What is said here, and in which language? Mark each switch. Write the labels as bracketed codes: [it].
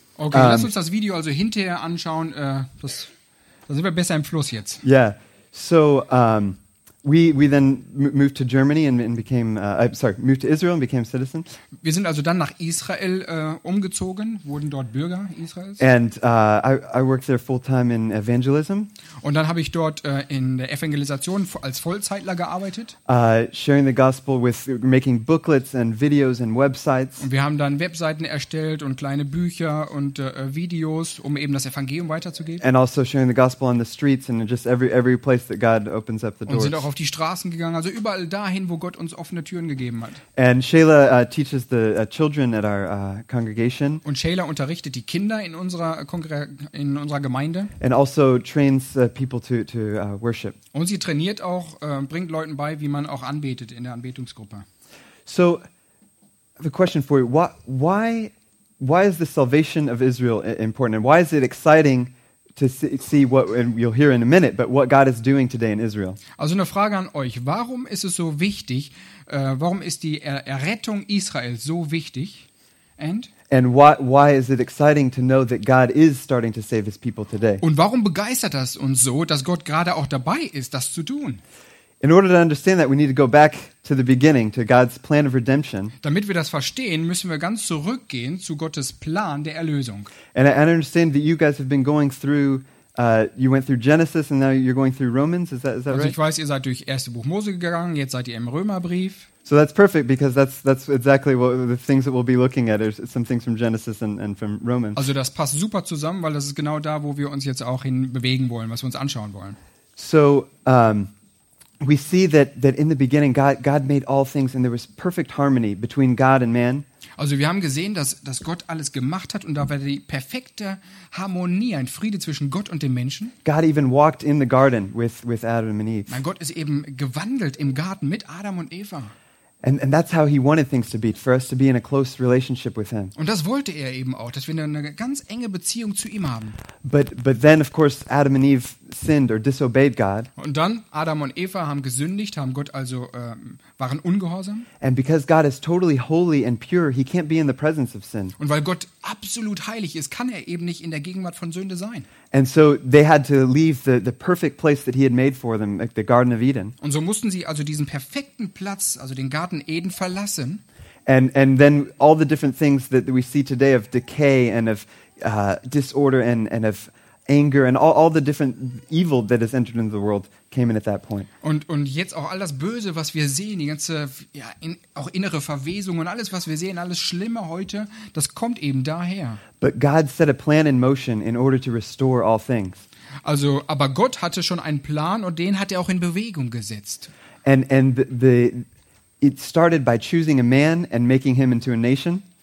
[de] Okay, lass uns das Video also hinterher anschauen. Das sind wir besser im Fluss jetzt. [en] Yeah. So We then moved to Germany and became moved to Israel and became citizens. [de] Wir sind also dann nach Israel umgezogen, wurden dort Bürger Israels. [en] And I worked there full time in evangelism. [de] Und dann habe ich dort in der Evangelisation als Vollzeitler gearbeitet. [en] Sharing the gospel with making booklets and videos and websites. [de] Und wir haben dann Webseiten erstellt und kleine Bücher und Videos, um eben das Evangelium weiterzugeben. [en] And also sharing the gospel on the streets and just every place that God opens up the doors. [de] Sind auch auf die Straßen gegangen, also überall dahin, wo Gott uns offene Türen gegeben hat. [en] And Shayla teaches the children at our congregation. [de] Und Shayla unterrichtet die Kinder in unserer Gemeinde. [en] And also trains people to worship. [de] Und sie trainiert auch, bringt Leuten bei, wie man auch anbetet in der Anbetungsgruppe. [en] So, the question for you: Why is the salvation of Israel important? And why is it exciting to see what, and you'll hear in a minute, but what God is doing today in Israel. [de] Also eine Frage an euch: Warum ist es so wichtig? Warum ist die Errettung Israels so wichtig? [en] And why is it exciting to know that God is starting to save His people today? [de] Und warum begeistert das uns so, dass Gott gerade auch dabei ist, das zu tun? [en] In order to understand that, we need to go back to the beginning, to God's plan of redemption. [de] Damit wir das verstehen, müssen wir ganz zurückgehen zu Gottes Plan der Erlösung. [en] And I understand that you guys have been going through, you went through Genesis and now you're going through Romans, is that right? [de] Also ich weiß, ihr seid durch erste Buch Mose gegangen, jetzt seid ihr im Römerbrief. [en] So that's perfect, because that's exactly what the things that we'll be looking at is some things from Genesis and from Romans. [de] Also das passt super zusammen, weil das ist genau da, wo wir uns jetzt auch hin bewegen wollen, was wir uns anschauen wollen. [en] So, we see that in the beginning God made all things and there was perfect harmony between God and man. [de] Also wir haben gesehen, dass Gott alles gemacht hat und da war die perfekte Harmonie, ein Friede zwischen Gott und dem Menschen. [en] God even walked in the garden with Adam and Eve. [de] Mein Gott ist eben gewandelt im Garten mit Adam und Eva. [en] And that's how he wanted things to be, for us to be in a close relationship with him. [de] Und das wollte er eben auch, dass wir eine ganz enge Beziehung zu ihm haben. [en] But then of course Adam and Eve sinned or disobeyed God. [de] Und dann Adam und Eva haben gesündigt, haben Gott also waren ungehorsam. [en] And because God is totally holy and pure, he can't be in the presence of sin. [de] Und weil Gott absolut heilig ist, kann er eben nicht in der Gegenwart von Sünde sein. [en] And so they had to leave the perfect place that he had made for them, like the Garden of Eden. [de] Und so mussten sie also diesen perfekten Platz, also den Garten Eden, verlassen. [en] And then all the different things that we see today of decay and of disorder and of anger and all the different evil that has entered into the world came in at that point. [de] Und jetzt auch all das Böse, was wir sehen, die ganze auch innere Verwesung und alles, was wir sehen, alles Schlimme heute, das kommt eben daher. [en] But God set a plan in motion in order to restore all things. [de] Also, aber Gott hatte schon einen Plan und den hat er auch in Bewegung gesetzt. [en] It started by choosing a man and making him into a nation.